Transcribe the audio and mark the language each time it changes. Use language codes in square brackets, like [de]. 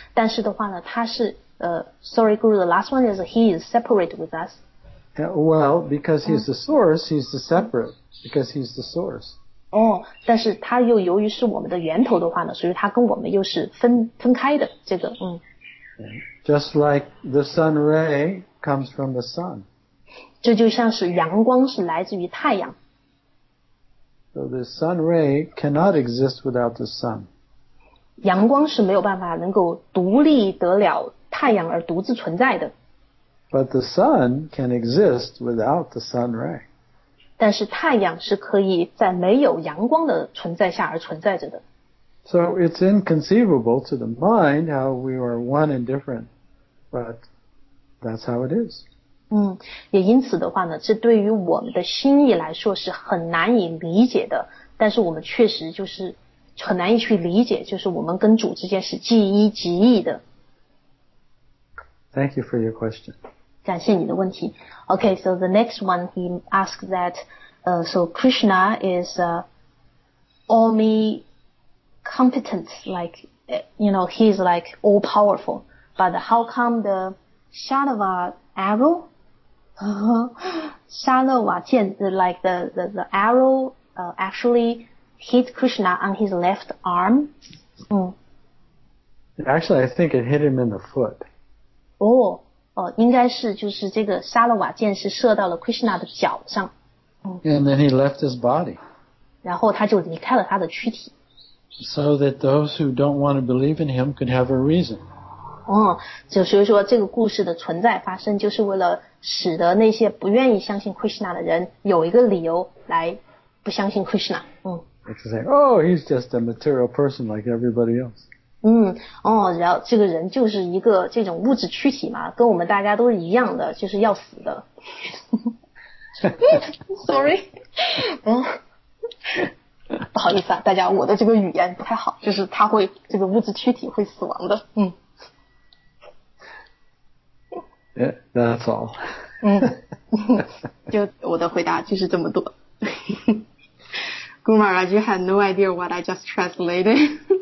[zh] 但是的话呢，他是 [en] sorry, Guru, the last one is he is separate with us. Well, because he's the source, he's the separate because he's the source. [zh] 但是他又由于是我们的源头的话呢，所以他跟我们又是分开的这个 [en] Just like the sun ray comes from the sun. [zh] 这就像是阳光是来自于太阳。 [en] So the sun ray cannot exist without the sun. [zh] 阳光是没有办法能够独立得了太阳而独自存在的。 [en] But the sun can exist without the sun ray. [zh] 但是太阳是可以在没有阳光的存在下而存在着的。 [en] So it's inconceivable to the mind how we are one and different, but that's how it is. [zh] 也因此的话呢，这对于我们的心意来说是很难以理解的，但是我们确实就是很难以去理解，就是我们跟主之间是即一即一的。 [en] Thank you for your question. [zh] 感谢你的问题。 [en] Okay, so the next one he asked that, so Krishna is omnicompetent, like, you know, he's like all powerful. But how come the Shalava arrow, Shalava 箭, like the arrow actually hit Krishna on his left arm? Actually, I think it hit him in the foot. [zh] Oh. 应该是就是这个沙拉瓦箭是射到了 Krishna 的脚上。 [en] And then he left his body. [zh] 然后他就离开了他的躯体。 [en] So that those who don't want to believe in him could have a reason. [zh] 就是说这个故事的存在发生就是为了使得那些不愿意相信 Krishna 的人有一个理由来不相信 Krishna. [en] It's like, oh, he's just a material person like everybody else. [zh] 然后这个人就是一个这种物质躯体嘛，跟我们大家都是一样的，就是要死的。 Sorry， 不好意思啊，大家，我的这个语言不太好，就是他会这个物质躯体会死亡的。 [en] Yeah, that's all. [zh] 就我的回答就是这么多。 [en] Guru Maharaj, you had no idea what I just translated.